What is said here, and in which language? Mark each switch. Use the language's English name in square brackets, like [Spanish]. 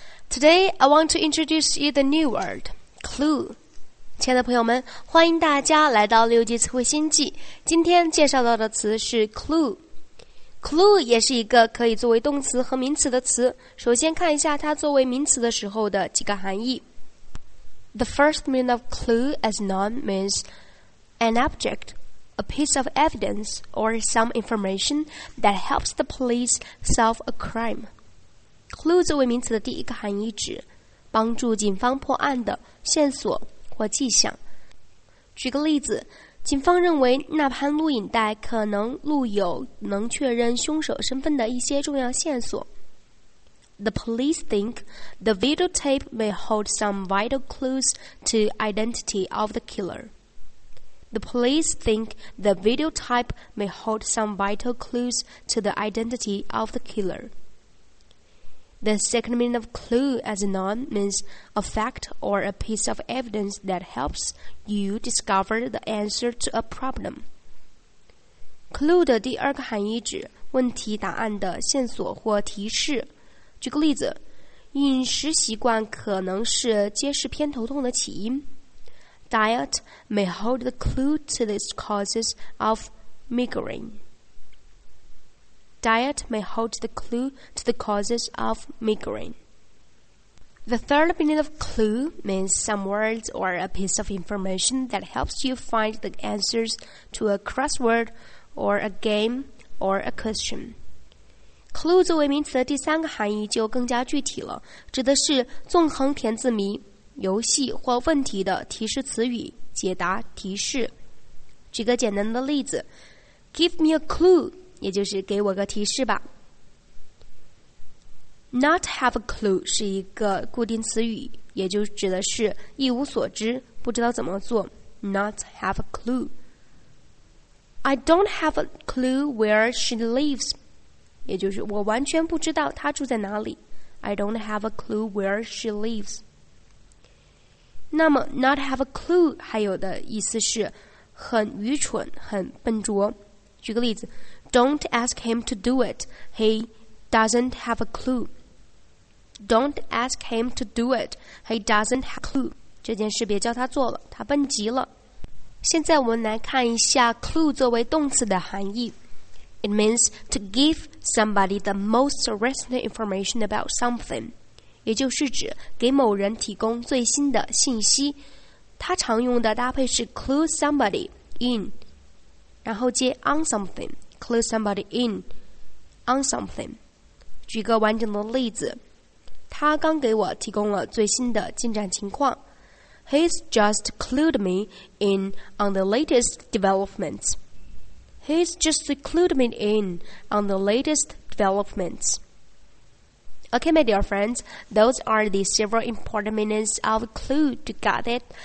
[English] Today, I want to introduce you the new word, clue. [Chinese] 亲爱的朋友们，欢迎大家来到六级词汇星际。今天介绍到的词是 clue。Clue 也是一个可以作为动词和名词的词。首先看一下它作为名词的时候的几个含义。 [English] The first meaning of clue as noun means an object. A piece of evidence or some information that helps the police solve a crime. [Chinese] Clue 作为名词的第一个含义指帮助警方破案的线索或迹象。举个例子，警方认为那盘录影带可能录有能确认凶手身份的一些重要线索。 [English] The police think the videotape may hold some vital clues to identity of the killer. The police think the videotape may hold some vital clues to the identity of the killer. The second meaning of clue as a noun means a fact or a piece of evidence that helps you discover the answer to a problem. [Chinese] Clue 的第二个含义指问题答案的线索或提示。举个例子，饮食习惯可能是结石偏头痛的起因。 [English] Diet may hold the clue to the causes of migraine. Diet may hold the clue to the causes of migraine. The third meaning of clue means some words or a piece of information that helps you find the answers to a crossword or a game or a question. [Chinese] Clue 作为名词的第三个含义就更加具体了，指的是纵横填字谜。游戏或问题的提示词语，解答提示。举个简单的例子 ， [English] Give me a clue， [Chinese] 也就是给我个提示吧。 [English] Not have a clue [Chinese] 是一个固定词语，也就指的是一无所知，不知道怎么做。 [English] Not have a clue。 I don't have a clue where she lives， [Chinese] 也就是我完全不知道她住在哪里。 [English] I don't have a clue where she lives。 [Chinese] 那么 [English] not have a clue [Chinese] 还有的意思是很愚蠢很笨拙。举个例子 [English] Don't ask him to do it. He doesn't have a clue. Don't ask him to do it. He doesn't have a clue. [Chinese] 这件事别叫他做了，他笨极了。现在我们来看一下 clue 作为动词的含义。 [English] It means to give somebody the most recent information about something. [Chinese] 也就是指给某人提供最新的信息，它常用的搭配是 [English] clue somebody in， [Chinese] 然后接 [English] on something， clue somebody in on something。 [Chinese] 举个完整的例子，他刚给我提供了最新的进展情况。 [English] He's just clued me in on the latest developments. He's just clued me in on the latest developments. Okay, my dear friends, those are the several important meanings of clue. You got it?